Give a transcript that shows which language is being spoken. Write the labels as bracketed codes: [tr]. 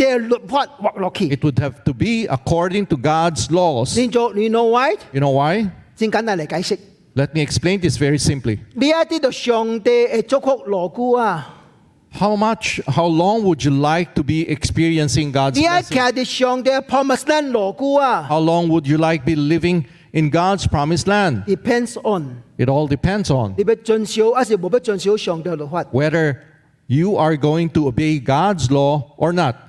[en] It would have to be according to God's laws. You know why? [nan] 真简单来解释。 [en] Let me explain this very simply. [nan] 你爱得到上帝的祝福多久啊？ [en] How long would you like to be experiencing God's blessing? How long would you like to be living in God's promised land? Depends on. It all depends on. Whether you are going to obey God's law or not.